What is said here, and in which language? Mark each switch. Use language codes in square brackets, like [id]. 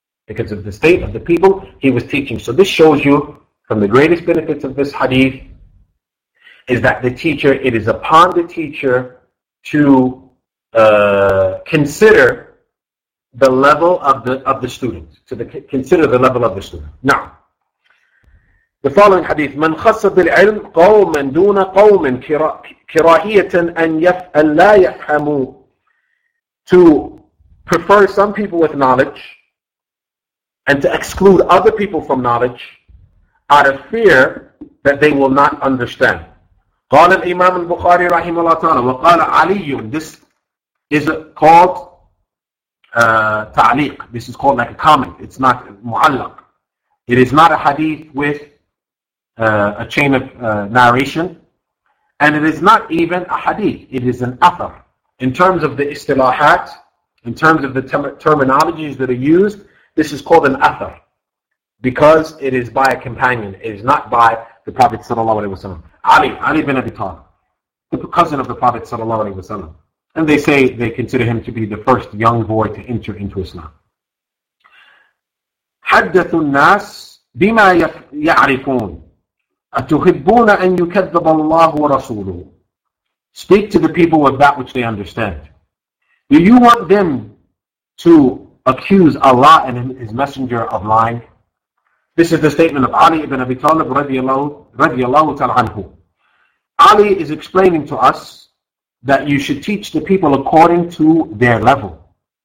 [en] Because of the state of the people he was teaching. So this shows you, from the greatest benefits of this hadith, is that the teacher, it is upon the teacher to consider the level of the student, consider the level of the student. Now, the following hadith: [ar] من خص بالعلم قوما دون قوم كراهية أن يفعل لا يفهموا. [en] To prefer some people with knowledge and to exclude other people from knowledge out of fear that they will not understand. [ar] قال الإمام البخاري رحمه الله تعالى وقال علي. [en] This is called تعليق. This is called like a comment. It's not معلق. It is not a hadith with a chain of narration, and it is not even a hadith. It is an athar. In terms of the istilahat, in terms of the terminologies that are used, this is called an athar because it is by a companion. It is not by the Prophet sallallahu alaihi wasallam. Ali ibn Abi Talib, the cousin of the Prophet sallallahu alaihi wasallam, and they say they consider him to be the first young boy to enter into Islam. [ar] حدثوا الناس بما يعرفون أتحبون أن يكذب الله ورسوله. [en] Speak to the people with that which they understand. Do you want them to accuse Allah and His Messenger of lying? This is the statement of Ali ibn Abi Talib radiallahu ta'ala anhu. Ali is explaining to us that you should teach the people according to their level.